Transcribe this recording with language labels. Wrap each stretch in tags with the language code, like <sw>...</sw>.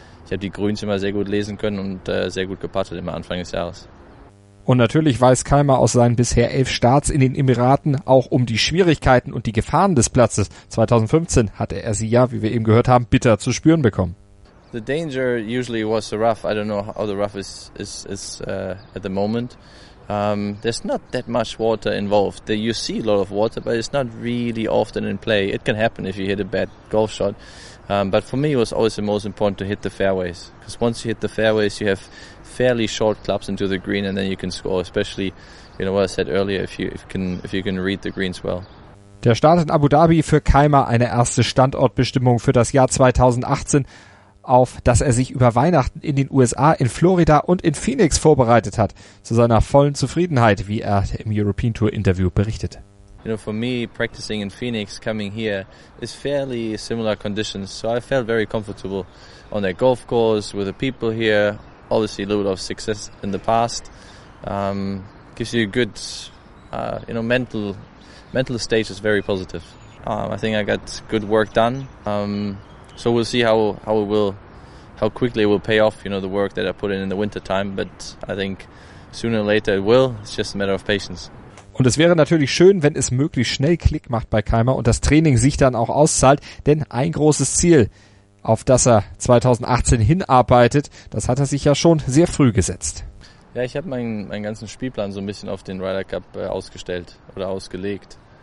<de>Ich habe die Grüns immer sehr gut lesen können und sehr gut geputtet immer Anfang des Jahres. Und natürlich weiß Keimer aus seinen bisher 11 Starts in den Emiraten auch um die Schwierigkeiten und die Gefahren des Platzes. 2015 hatte er sie ja, wie wir eben gehört haben, bitter zu spüren bekommen.</de> <en>The danger usually was the rough. I don't know how the rough is at the moment. There's not that much water involved. You see a lot of water, but it's not really often in play. It can happen if you hit a bad golf shot. But for me, it was always the most important to hit the fairways. Because once you hit the fairways, you have fairly short clubs into the green, and then you can score. Especially, you know what I said earlier, if you can read the greens well. Der Start in Abu Dhabi für Keimer, eine erste Standortbestimmung für das Jahr 2018. Auf dass er sich über Weihnachten in den USA, in Florida und in Phoenix vorbereitet hat, zu seiner vollen Zufriedenheit, wie er im European Tour Interview berichtet. You know, for me, practicing in Phoenix, coming here, is fairly similar conditions. So I felt very comfortable on that golf course, with the people here. Obviously a little bit of success in the past. Gives you a good, mental state is very positive. I think I got good work done. So we'll see how quickly it will pay off, you know, the work that I put in the winter time, but I think sooner or later it will. It's just a matter of patience.</en> <de>Und es wäre natürlich schön, wenn es möglichst schnell Klick macht bei Keimer und das Training sich dann auch auszahlt, denn ein großes Ziel, auf das er 2018 hinarbeitet, das hat er sich ja schon sehr früh gesetzt. Ja, ich habe meinen ganzen Spielplan so ein bisschen auf den Ryder Cup ausgestellt oder ausgelegt.</de>